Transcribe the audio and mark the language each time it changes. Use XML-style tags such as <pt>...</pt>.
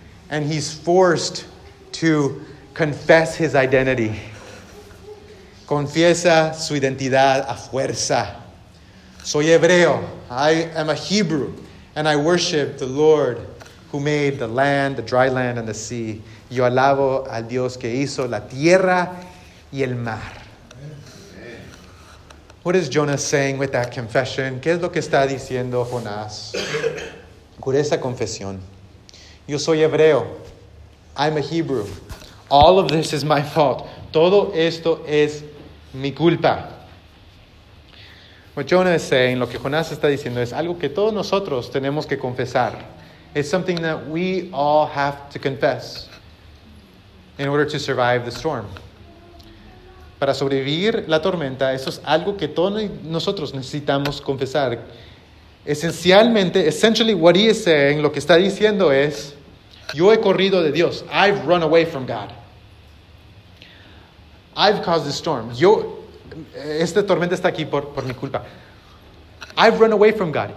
<en>And he's forced to confess his identity.</en> <es>Confiesa su identidad a fuerza. Soy hebreo.</es> <en>I am a Hebrew. And I worship the Lord who made the land, the dry land, and the sea.</en> <es>Yo alabo al Dios que hizo la tierra y el mar.</es> <en>What is Jonah saying with that confession?</en> <es>¿Qué es lo que está diciendo Jonás con esa confesión? Yo soy hebreo.</es> <en>I'm a Hebrew. All of this is my fault.</en> <es>Todo esto es mi culpa.</es> <en>What Jonah is saying,</en> <es>lo que Jonás está diciendo, es algo que todos nosotros tenemos que confesar.</es> <en>It's something that we all have to confess in order to survive the storm.</en> <es>Para sobrevivir la tormenta, eso es algo que todos nosotros necesitamos confesar.</es> <en>Essentially what he is saying,</en> <es>lo que está diciendo es, yo he corrido de Dios.</es> <en>I've run away from God. I've caused the storm.</en> <es>Esta tormenta está aquí por mi culpa.</es> <en>I've run away from God.</en>